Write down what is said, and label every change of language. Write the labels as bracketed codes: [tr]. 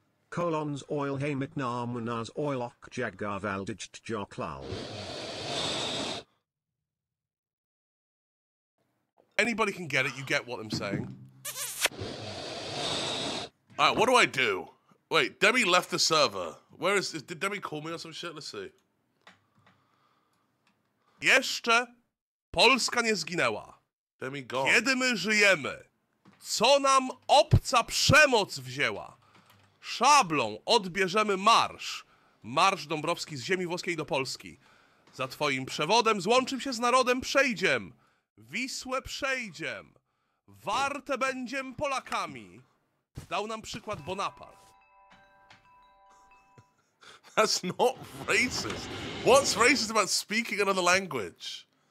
[en] Colons oil hey McNamunas oil ok jagar valdiged joklal. Anybody can get it, you get what I'm saying. Alright, what do I do? Wait, Demi left the server. Where is did Demi call me or some shit? Let's see. [pl] Jeszcze Polska nie zginęła. [en] Demi gone. [pl] Kiedy my żyjemy? Co nam obca przemoc wzięła? Szablą odbierzemy marsz. Marsz Dąbrowski z ziemi włoskiej do Polski. Za twoim przewodem złączym się z narodem przejdziem. Wisłę przejdziem. Warte będziem Polakami. Dał nam przykład Bonaparte. [en] That's not racist. What's racist about speaking another language?